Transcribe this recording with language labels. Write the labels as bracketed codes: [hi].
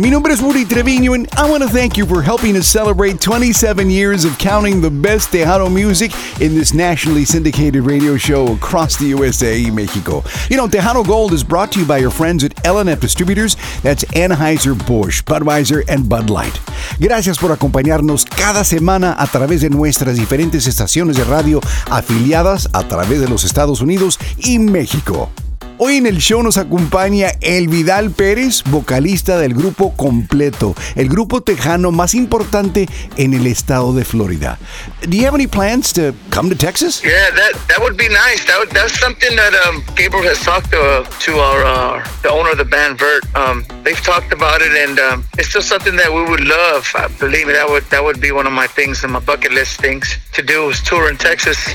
[es] Mi nombre es [en] Rudy Treviño, and I want to thank you for helping us celebrate 27 years of counting the best Tejano music in this nationally syndicated radio show across the USA, Mexico. You know, Tejano Gold is brought to you by your friends at L&F Distributors. That's Anheuser-Busch, Budweiser, and Bud Light. [es] Gracias por acompañarnos cada semana a través de nuestras diferentes estaciones de radio afiliadas a través de los Estados Unidos y México. Hoy en el show nos acompaña El Vidal Pérez, vocalista del grupo Completo, el grupo tejano más importante en el estado de Florida. [en] Do you have any plans to come to Texas? Yeah, that would be nice. That's something that Gabriel has talked to our the owner of the band, Vert. They've talked about it, and it's still something that we would love. Believe me, that would be one of my things and my bucket list things to do is tour in Texas.